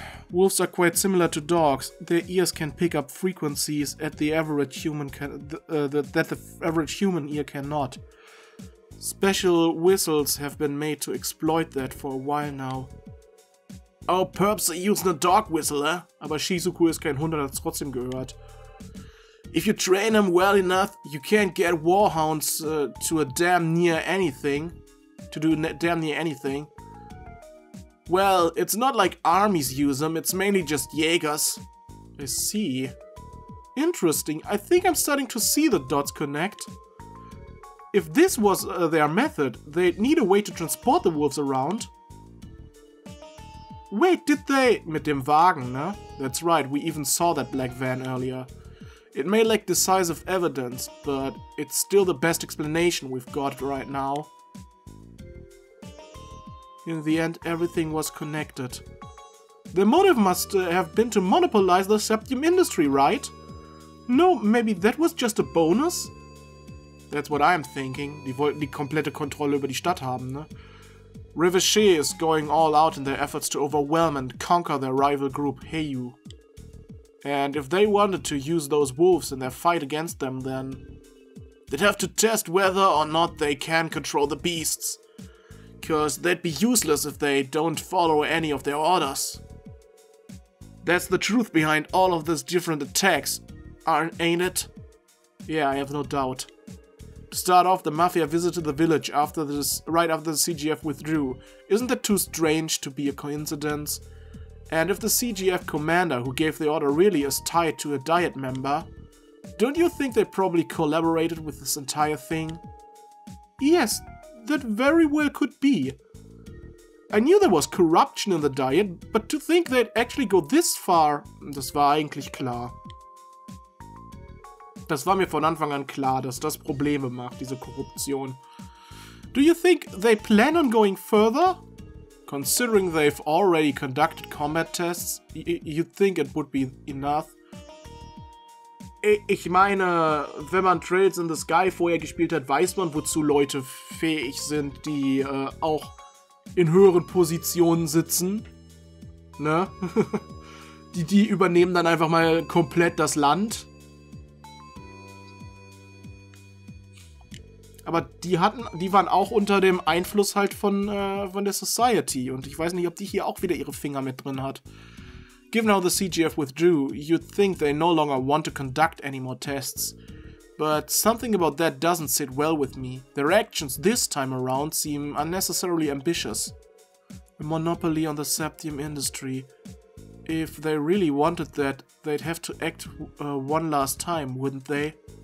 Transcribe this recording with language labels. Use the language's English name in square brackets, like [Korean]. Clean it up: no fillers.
[English] Wolves are quite similar to dogs. Their ears can pick up frequencies that the average human ear cannot. Special whistles have been made to exploit that for a while now. Oh, perhaps they use a dog whistle, eh? [German] Aber Shizuku ist kein Hund, hat's trotzdem gehört. [English] If you train them well enough, you can't get warhounds to a damn near anything. To do damn near anything. Well, it's not like armies use them, it's mainly just Jägers. I see. Interesting, I think I'm starting to see the dots connect. If this was their method, they'd need a way to transport the wolves around. Wait, did they... [German] Mit dem Wagen, ne? [English] That's right, we even saw that black van earlier. It may lack decisive evidence, but it's still the best explanation we've got right now. In the end, everything was connected. Their motive must have been to monopolize the septium industry, right? No, maybe that was just a bonus? That's what I'm thinking. [German] Die wollten die komplette Kontrolle über die Stadt haben, ne? [English] Rivershe is going all out in their efforts to overwhelm and conquer their rival group, Heiyu. And if they wanted to use those wolves in their fight against them, then... They'd have to test whether or not they can control the beasts. Because they'd be useless if they don't follow any of their orders. That's the truth behind all of these different attacks, ain't it? Yeah, I have no doubt. To start off, the Mafia visited the village after this, right after the CGF withdrew. Isn't that too strange to be a coincidence? And if the CGF commander who gave the order really is tied to a Diet member, don't you think they probably collaborated with this entire thing? Yes, that very well could be. I knew there was corruption in the Diet, but to think they'd actually go this far, [German] das war eigentlich klar. Das war mir von Anfang an klar, dass das Probleme macht, diese Korruption. [English] Do you think they plan on going further? Considering they've already conducted combat tests, you'd think it would be enough. [German] Ich meine, wenn man Trails in the Sky vorher gespielt hat, weiß man, wozu Leute fähig sind, die auch in höheren Positionen sitzen. Ne? Die übernehmen dann einfach mal komplett das Land. Aber die waren auch unter dem Einfluss halt von der Society. Und ich weiß nicht, ob die hier auch wieder ihre Finger mit drin hat. [English] Given how the CGF withdrew, you'd think they no longer want to conduct any more tests. But something about that doesn't sit well with me. Their actions this time around seem unnecessarily ambitious. A monopoly on the septium industry. If they really wanted that, they'd have to act one last time, wouldn't they?